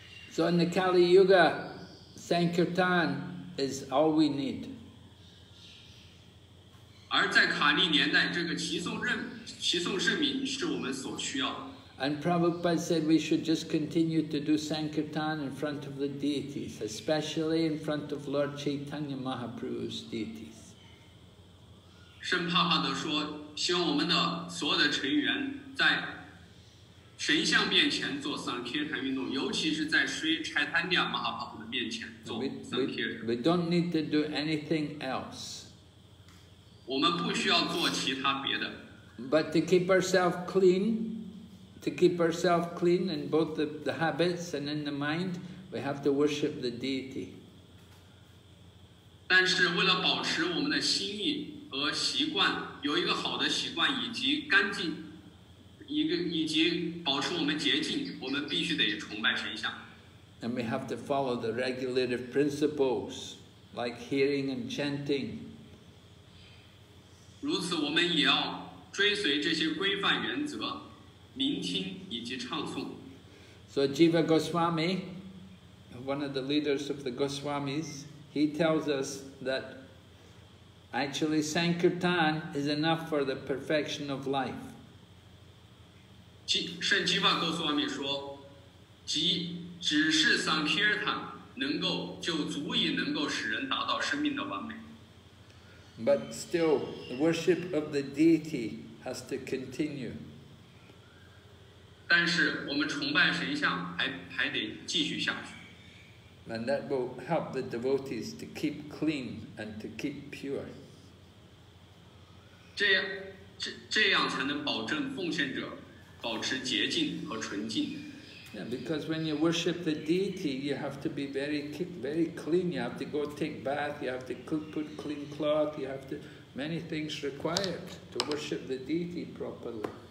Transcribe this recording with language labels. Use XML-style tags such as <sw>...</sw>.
<en>So in the Kali Yuga, Sankirtan is all we need.</en> <zh>而在卡利年代，这个齐颂圣名是我们所需要的。</zh> <en>And Prabhupada said we should just continue to do Sankirtan in front of the deities, especially in front of Lord Chaitanya Mahaprabhu's deities.</en> <zh>圣帕帕德说，希望我们的所有的成员在神像面前做 Sankirtan 运动，尤其是在 Sri Chaitanya Mahaprabhu 的面前做 Sankirtan。</zh> <en>We don't need to do anything else.</en> <zh>我们不需要做其他别的。</zh> <en>But to keep ourselves clean in both the habits and in the mind, we have to worship the deity.</en> <zh>但是为了保持我们的心意和习惯，有一个好的习惯以及干净，以及保持我们洁净，我们必须得崇拜神像。</zh> <en>And we have to follow the regulative principles, like hearing and chanting.</en> <zh>如此，我们也要追随这些规范原则，聆听以及唱诵。</zh> <en>So Jiva Goswami, one of the leaders of the Goswamis, he tells us that actually Sankirtan is enough for the perfection of life.</en> <zh>圣吉瓦 Goswami 说，只是 Sankirtan 能够就足以能够使人达到生命的完美。</zh> <en>But still, the worship of the deity has to continue.</en> <zh>但是我们崇拜神像还得继续下去。</zh> <en>And that will help the devotees to keep clean and to keep pure.</en> <zh>这样才能保证奉献者保持洁净和纯净。</zh> <en>Yeah, because when you worship the deity, you have to be very clean. You have to go take bath, you have to put clean cloth, you have to... Many things required to worship the deity properly.</en>